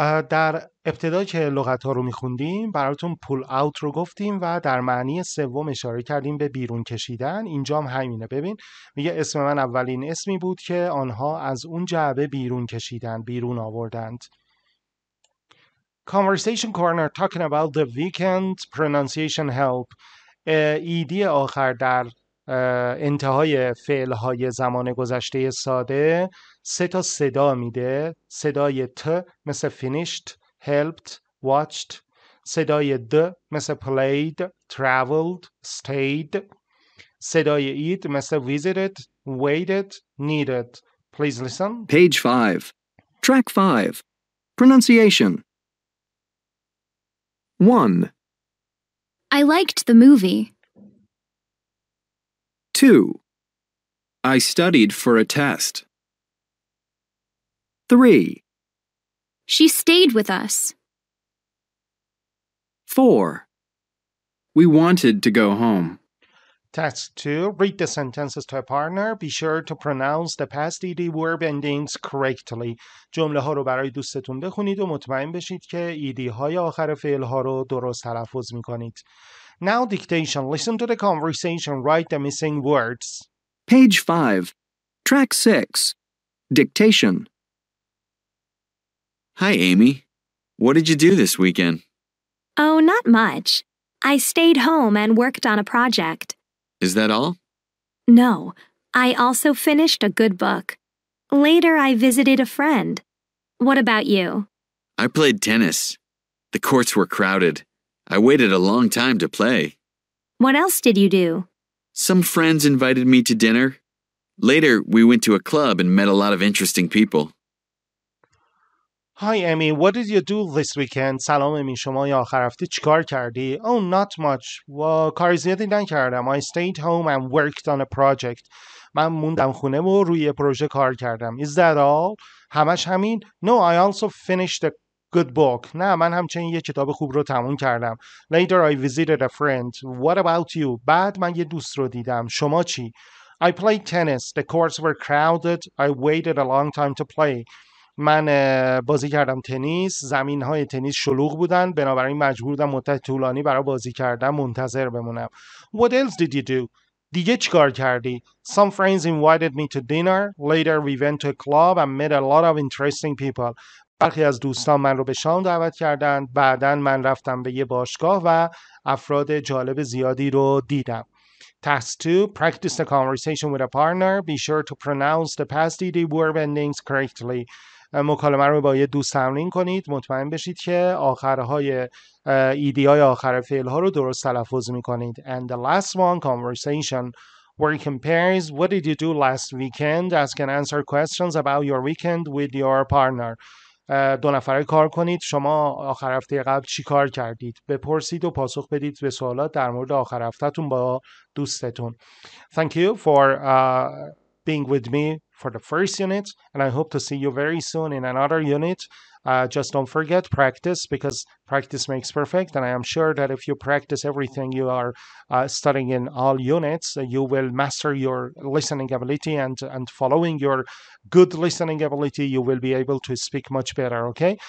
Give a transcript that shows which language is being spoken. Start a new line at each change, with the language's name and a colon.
Persian: در ابتدا که لغت ها رو میخوندیم براتون پول اوت رو گفتیم و در معنی سوم اشاره کردیم به بیرون کشیدن. اینجا هم همینه. ببین میگه اسم من اولین اسمی بود که آنها از اون جعبه بیرون کشیدن، بیرون آوردند.
English: Conversation Corner talking about the weekend pronunciation help.
Persian: ایدی آخر در انتهای فعل‌های زمان گذشته ساده سه تا صدا میده. صدای ت مثل
English: finished, helped, watched.
Persian: صدای د مثل
English: played, traveled, stayed.
Persian: صدای اید مثل
English: visited, waited, needed. Please listen. Page 5. Track 5. Pronunciation. 1. I liked the movie. 2. I studied for a test. 3. She stayed with us. 4. We wanted to go home. Task 2. Read the sentences to a partner. Be sure to pronounce the past ED verb endings correctly.
Persian: جمله ها رو برای دوستتون بخونید و مطمئن بشید که ED های آخر فعل ها رو درست تلفظ می کنید.
English: Now dictation. Listen to the conversation. Write the missing words. Page 5. Track 6. Dictation. Hi, Amy. What did you do this weekend? Oh, not much. I stayed home and worked on a project. Is that all? No. I also finished a good book. Later, I visited a friend. What about you? I played tennis. The courts were crowded. I waited a long time to play. What else did you do? Some friends invited me to dinner. Later, we went to a club and met a lot of interesting people. Hi, Amy. What did you do this weekend?
Persian: سلام امی. شما یا آخر هفته چی کار کردی؟
English: Oh, not much.
Persian: کار زیادی نکردم.
English: I stayed home and worked on a project.
Persian: من موندم خونه و روی پروژه کار کردم.
English: Is that all?
Persian: همش همین؟
English: No, I also finished a good book.
Persian: نه, من همچنین یه کتاب خوب رو تموم کردم.
English: Later, I visited a friend. What about you?
Persian: بعد من یه دوست رو دیدم. شما چی؟
English: I played tennis. The courts were crowded. I waited a long time to play.
Persian: من بازی کردم تنیس. زمین های تنیس شلوغ بودن. بنابراین مجبور بودم مدت طولانی برای بازی کردن منتظر بمونم.
English: What else did you do?
Persian: دیگه چی کار کردی؟
English: Some friends invited me to dinner. Later we went to a club and met a lot of interesting people.
Persian: برخی از دوستان من رو به شام دعوت کردند. بعدن من رفتم به یه باشگاه و افراد جالب زیادی رو دیدم.
English: Task 2. Practice the conversation with a partner. Be sure to pronounce the past ED verb endings correctly.
Persian: مکالمه رو با یه دوست تمرین کنید. مطمئن بشید که آخرهای ایدی های آخر فعل ها رو درست تلفظ می کنید.
English: And the last one, conversation. Where he compares, what did you do last weekend? Ask and answer questions about your weekend with your partner.
Persian: دو نفره کار کنید. شما آخر هفته قبل چی کار کردید؟ بپرسید و پاسخ بدید به سوالات در مورد آخر هفتهتون با دوستتون.
English: Thank you for being with me for the first unit, and I hope to see you very soon in another unit. Just don't forget practice, because practice makes perfect, and I am sure that if you practice everything you are studying in all units, you will master your listening ability, and following your good listening ability, you will be able to speak much better, okay?